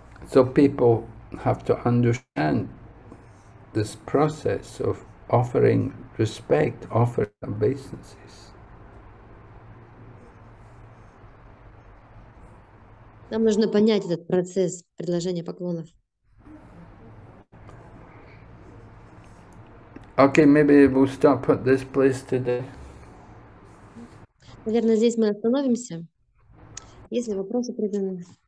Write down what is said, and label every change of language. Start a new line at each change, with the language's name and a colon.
English: So people have to understand this process of offering respect, offering obeisances.
Russian: Нам нужно понять этот процесс предложения поклонов.
English: Okay, maybe we'll stop at this place today.
Russian: Наверное, здесь мы остановимся. Есть ли вопросы преданные?